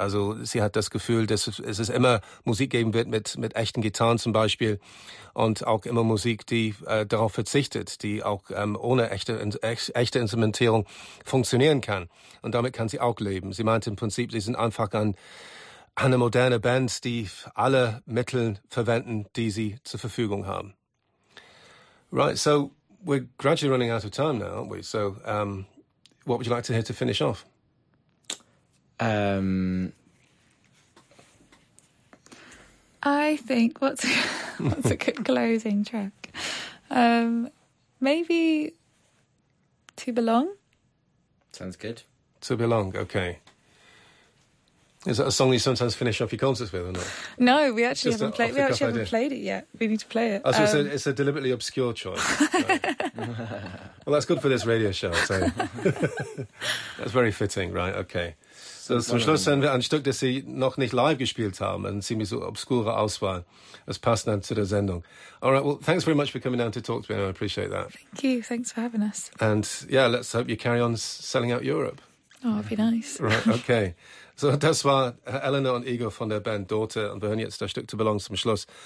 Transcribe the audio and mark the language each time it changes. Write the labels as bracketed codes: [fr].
[de] Also sie hat das Gefühl, dass es immer Musik geben wird mit echten Gitarren zum Beispiel und auch immer Musik, die darauf verzichtet, die auch ohne echte Instrumentierung funktionieren kann. Und damit kann sie auch leben. Sie meinte im Prinzip, sie sind einfach eine moderne Band, die alle Mittel verwenden, die sie zur Verfügung haben. [en] Right, so we're gradually running out of time now, aren't we? So what would you like to hear to finish off? I think, what's a good closing track? Maybe To Belong? Sounds good. To Belong, okay. Is that a song you sometimes finish off your concerts with or not? No, we actually haven't played it yet. We need to play it. Oh, so it's a deliberately obscure choice. Right. Well, that's good for this radio show. So. That's very fitting, right? Okay. [de] So zum Schluss hören wir ein Stück, das Sie noch nicht live gespielt haben. Eine ziemlich so obskure Auswahl. Das passt dann zu der Sendung. [en] All right, well, thanks very much for coming down to talk to me. I appreciate that. Thank you. Thanks for having us. And, yeah, let's hope you carry on selling out Europe. Oh, it'd be nice. Right, okay. [de] So das war Eleanor und Igor von der Band Daughter und wir hören jetzt das Stück To Belong zum Schluss.